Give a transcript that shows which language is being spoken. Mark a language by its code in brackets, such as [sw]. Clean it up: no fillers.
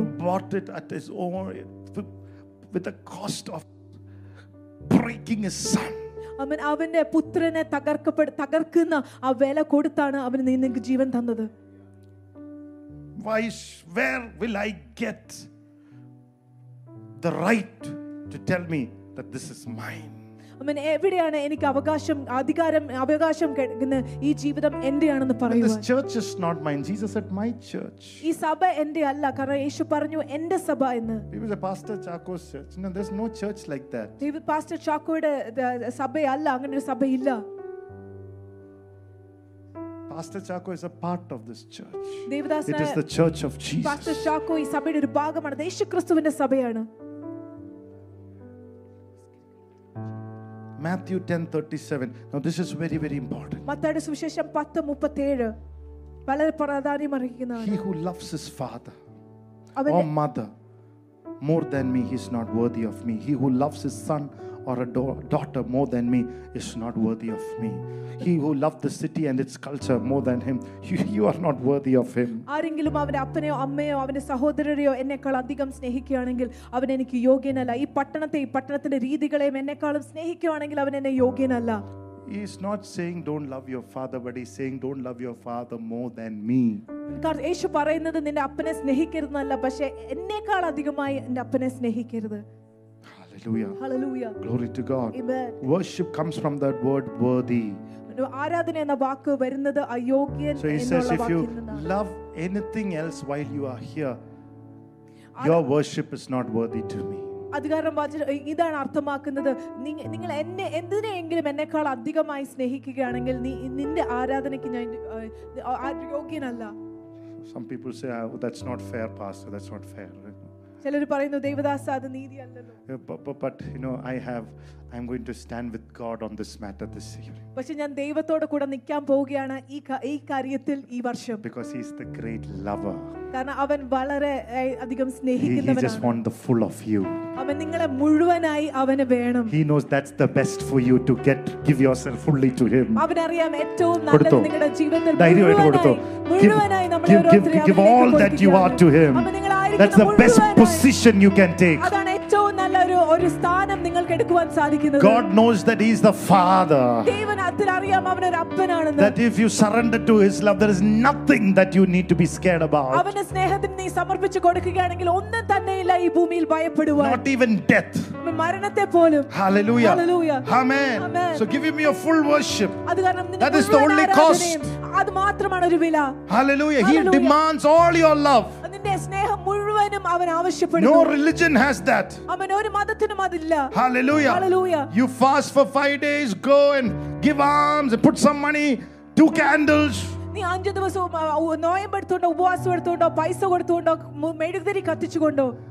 [en] He bought it at his own with the cost of breaking his son. [ml] അമ്മൻ അവന്റെ പുത്രനെ തകർക്കുന്ന ആ വില കൊടുത്താണ് അവന് നിങ്ങൾക്ക് ജീവൻ തന്നത്. [en] Why, where will I get the right to tell me that this is mine? [ml] അമ്മൻ എവിടെയാണ് എനിക്ക് അവകാശം അധികാരം അവകാശം കിട്ടുന്ന ഈ ജീവിതം എന്റെയാണെന്ന് പറയുന്നത്. [en] This church is not mine. Jesus said my church. [ml] ഈ സഭ എന്റെ അല്ല കാരണം യേശു പറഞ്ഞു എന്റെ സഭ എന്ന്. [en] It was a pastor Chaco's church. No, there's no church like that. [ml] ഈ പാസ്റ്റർ ചാക്കോയുടെ സഭയല്ല അങ്ങനെ ഒരു സഭയില്ല. [en] Pastor Chaco is a part of this church. [ml] Devdas [en] it is the church of Jesus. [ml] Pastor Chacko ഈ സഭയുടെ ഒരു ഭാഗമാണ് യേശുക്രിസ്തുവിന്റെ സഭയാണ്. [en] Matthew 10:37. Now this is very, very important. [ml] മത്തായിയുടെ സുവിശേഷം 10:37 വളരെ പ്രാധാന്യം അർഹിക്കുന്നതാണ്. [en] He who loves his father or mother more than me, he is not worthy of me. He who loves his son or a daughter more than me is not worthy of me. He who loved the city and its culture more than him, you are not worthy of him. [ml] ആരെങ്കിലും അവന്റെ അപ്പനെയോ അമ്മയെയോ അവന്റെ സഹോദരരെയോ എന്നേക്കാൾ അധികം സ്നേഹിക്കുകയാണെങ്കിൽ അവൻ എനിക്ക് യോഗ്യനല്ല. ഈ പട്ടണത്തെ ഈ പട്ടണത്തിന്റെ രീതികളെയും എന്നേക്കാളും സ്നേഹിക്കുകയാണെങ്കിൽ അവൻ എന്നെ യോഗ്യനല്ല. [en] He is not saying don't love your father, but he is saying don't love your father more than me. [ml] കാരണം യേശു പറയുന്നത് നിന്റെ അപ്പനെ സ്നേഹിക്കരുതെന്നല്ല, പക്ഷേ എന്നേക്കാൾ അധികമായി നിന്റെ അപ്പനെ സ്നേഹിക്കരുത്. [en] Hallelujah. Hallelujah. Glory to God. Amen. Worship comes from that word worthy. [ml] ആരാധന എന്ന വാക്ക് വരുന്നത് അയോഗ്യൻ എന്നുള്ള വാക്കിൽ നിന്നാണ്. [en] So he says, if you love anything else while you are here, your worship is not worthy to me. [ml] അധികാരം വാചകം ഇതാണ് അർത്ഥമാക്കുന്നത്, നിങ്ങൾ എന്നെ എന്തിനെങ്കിലും എന്നേക്കാൾ അധികമായി സ്നേഹിക്കുകയാണെങ്കിൽ നിന്റെ ആരാധനയ്ക്ക് ഞാൻ യോഗ്യനല്ല. [en] Some people say, oh, that's not fair, pastor, that's not fair. [ml] ചിലര് പറയുന്നു ദേവദാസ് അത് നീതിയല്ലല്ലോ. [en] But you know, I'm going to stand with God on this matter this year. [ml] പക്ഷെ ഞാൻ ദൈവത്തോട് കൂടെ നിൽക്കാൻ പോവുകയാണ് ഈ ഈ കാര്യത്തിൽ ഈ വർഷം. [en] Because he is the great lover. [ml] കാരണം അവൻ വളരെ അധികം സ്നേഹിക്കുന്നവനാണ്. [en] He just wants the full of you. [ml] അവൻ നിങ്ങളെ മുഴുവനായി അവനെ വേണം. [en] He knows that's the best for you to get give yourself fully to him. [ml] അവൻ അറിയാം ഏറ്റവും നല്ലത് നിങ്ങളുടെ ജീവിതത്തിൽ ധൈര്യമായിട്ട് കൊടുത്തോ. മുഴുവനായി നമ്മളെ ഓരോരുത്തരെ [en] give all that you are to him. [ml] അവൻ നിങ്ങളെ [en] That's the best position you can take. [ml] അതാണ് ഏറ്റവും നല്ല ഒരു സ്ഥാനം നിങ്ങൾക്ക് എടുക്കാൻ സാധിക്കുന്നത്. [en] God knows that he is the father. [ml] ദൈവം അത്രയും അവൻ ഒരു അപ്പനാണെന്ന്. [en] That if you surrender to his love there is nothing that you need to be scared about. [ml] അവനെ സ്നേഹത്തിന് നീ സമർപ്പിച്ചു കൊടുക്കുകയാണെങ്കിൽ ഒന്നും തന്നെ ഇല്ല ഈ ഭൂമിയിൽ ഭയപ്പെടുവാൻ. [en] Not even death. [ml] മരണത്തെ പോലും. [en] Hallelujah. Hallelujah. Amen. Amen. So give me your full worship. [ml] അതുകാരണം നിന്നെ [en] That is the only cost. [ml] അത് മാത്രമാണ് ഒരു വില. [en] Hallelujah. He demands all your love. [ml] നിന്റെ സ്നേഹം മുഴുവനും അവൻ ആവശ്യപ്പെടുന്നു. [en] No religion has that. [ml] അവൻ ഒരു മതത്തിനും അതില്ല. [en] Hallelujah. Hallelujah. You fast for 5 days, go and give alms and put some money, 2 candles. [ml] നീ 5 ദിവസം നോയമ്പ് എടുത്തുകൊണ്ടോ ഉപവാസം എടുത്തുകൊണ്ടോ പൈസ കൊടുത്തുകൊണ്ടോ മെഴുകുതിരി കത്തിച്ചുകൊണ്ടോ.